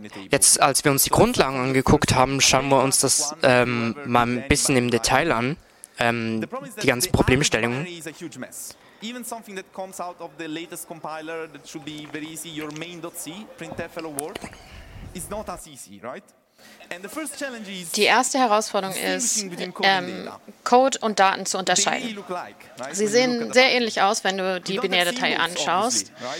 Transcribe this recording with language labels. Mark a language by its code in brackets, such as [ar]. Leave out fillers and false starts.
[de] Jetzt, als wir uns die Grundlagen angeguckt haben, schauen wir uns das mal ein bisschen im Detail an, die ganze Problemstellung. [en] Even something that comes out of the latest compiler that should be very easy, your main.c, printf hello world, is not as easy, right? And the first challenge is, [de] die erste Herausforderung ist, Code und Daten zu unterscheiden. Sie sehen sehr ähnlich aus, wenn du die Binärdatei anschaust.